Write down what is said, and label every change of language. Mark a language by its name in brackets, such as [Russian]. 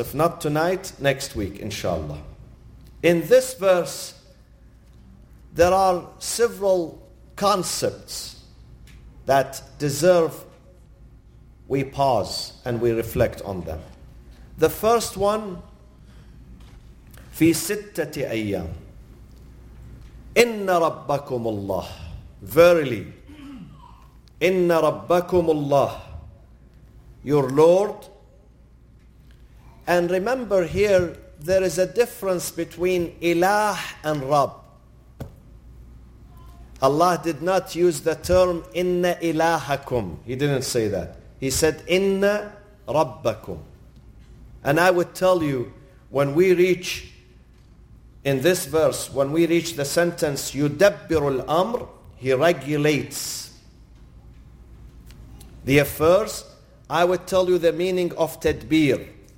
[English] If not tonight, next week, inshallah. In this verse, there are several concepts that deserve we pause and we reflect on them. The first one, [Arabic] في ستة أيام. إِنَّ رَبَّكُمُ اللَّهِ [English] Verily, [Arabic] إِنَّ رَبَّكُمُ اللَّهِ [English] Your Lord. And remember here, there is a difference between إِلَاه and Rabb. Allah did not use the term [Arabic] إِنَّ إِلَاهَكُمْ. [English] He didn't say that. He said [Arabic] إِنَّ رَبَّكُمْ. [English] And I would tell you, when we reach in this verse, when we reach the sentence [Arabic] يُدَبِّرُ الْأَمْرُ, [English] He regulates the affairs, I would tell you the meaning of tadbir.